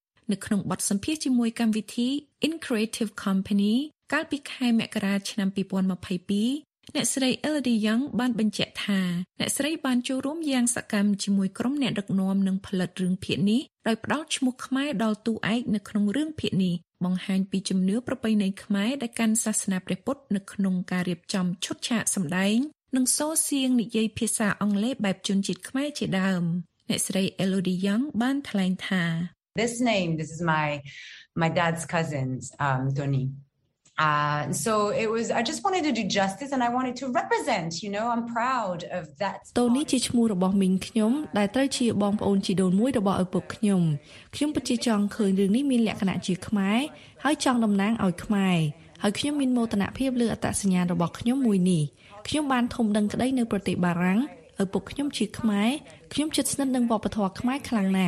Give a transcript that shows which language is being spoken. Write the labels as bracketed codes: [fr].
[km] នៅក្នុងបទសម្ភាសន៍ជាមួយកម្មវិធី In Creative Company កាលពីខែមករាឆ្នាំ2022អ្នកស្រី Elodie Young បានបញ្ជាក់ថាអ្នកស្រីបានចូលរួមយ៉ាងសកម្មជាមួយក្រុមអ្នកដឹកនាំនិងផលិតរឿងភាគនេះដោយផ្ដល់ឈ្មោះខ្មែរដល់តួឯកនៅក្នុងរឿងភាគនេះបង្ហាញពីជំនឿប្រពៃណីខ្មែរដែលកាន់សាសនាព្រះពុទ្ធនៅក្នុងការរៀបចំឈុតឆាកសម្ដែងនិងសូរសៀងនិយាយភាសាអង់គ្លេសបែបជនជាតិខ្មែរជាដើមអ្នកស្រី Elodie Young បានថ្លែងថា [en] This is my dad's cousins Tony. So it was I just wanted to do justice and I wanted to represent, you know, I'm proud of that. [km] តូនីជាឈ្មោះរបស់មីងខ្ញុំដែលត្រូវជាបងប្អូនជីដូនមួយរបស់ឪពុកខ្ញុំ។ខ្ញុំពិតជាចង់ឃើញរឿងនេះមានលក្ខណៈជាខ្មែរហើយចង់តំណាងឲ្យខ្មែរហើយខ្ញុំមានមោទនភាពលើអត្តសញ្ញាណរបស់ខ្ញុំមួយនេះ។ខ្ញុំបានធំដឹងក្តីនៅប្រទេសបារាំងឪពុកខ្ញុំជាខ្មែរខ្ញុំជិតស្និទ្ធនឹងវប្បធម៌ខ្មែរខ្លាំងណា